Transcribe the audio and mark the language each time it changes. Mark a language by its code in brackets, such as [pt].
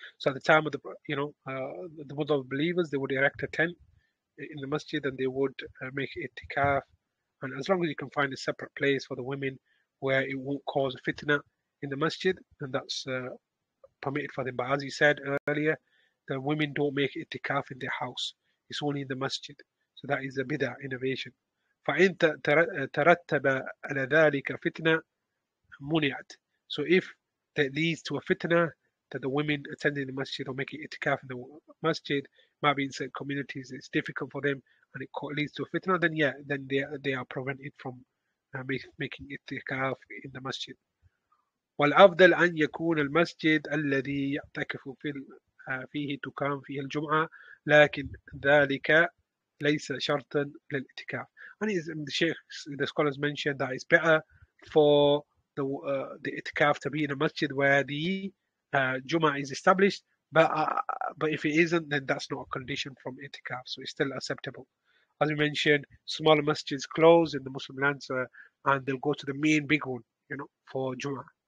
[en] So at the time of the, you know, the Muslim of believers, they would erect a tent in the masjid and they would make itikaf. And as long as you can find a separate place for the women where it won't cause a fitna in the masjid, then that's permitted for them. But as you said earlier, the women don't make itikaf in their house. It's only in the masjid. So that is a bid'ah innovation. [ar] فإن ترتب على ذلك فتنة منعت. [en] So if that leads to a fitna, that the women attending the masjid or making itikaf in the masjid, maybe in certain communities it's difficult for them and it leads to a fitna, then yeah, then they are prevented from making itikaf in the masjid. [ar] والأفضل أن يكون المسجد الذي يعتكف فيه تقام فيه الجمعة لكن ذلك ليس شرطا للاتكاف. [en] And the scholars mentioned that it's better for the itikaf to be in a masjid where the Jummah is established, but if it isn't, then that's not a condition from itikaf, so it's still acceptable. as you mentioned, smaller masjids close in the Muslim lands, and they'll go to the main big one, you know, for Jummah.